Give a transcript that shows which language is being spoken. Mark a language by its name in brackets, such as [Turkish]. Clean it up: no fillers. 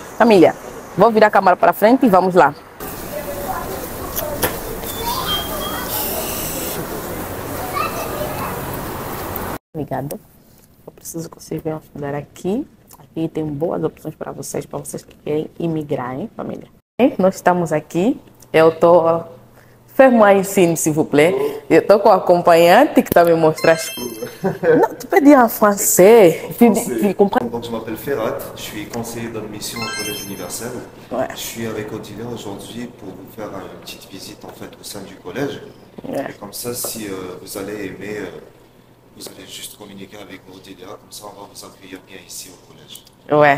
[Portuguese] Família, vou virar a câmera para frente e vamos lá. Obrigada. Eu preciso que vocês venham estudar aqui. Aqui tem boas opções para vocês que querem emigrar, hein, família? Nós estamos aqui. Eu tô Fermo a ensino, [French] s'il vous plaît. [Portuguese] Eu tô com a acompanhante que tá me mostrando. [French] Não, tu peux dire en français. Tu comprends? Donc, je m'appelle Ferhat. Je suis conseiller d'admission au Collège Universel. Ouais. Je suis avec Odile aujourd'hui pour vous faire une petite visite en fait au sein du collège. Ouais. Et comme ça, si vous allez aimer, vous allez juste communiquer avec Odile. Comme ça, on va vous accueillir bien ici au collège.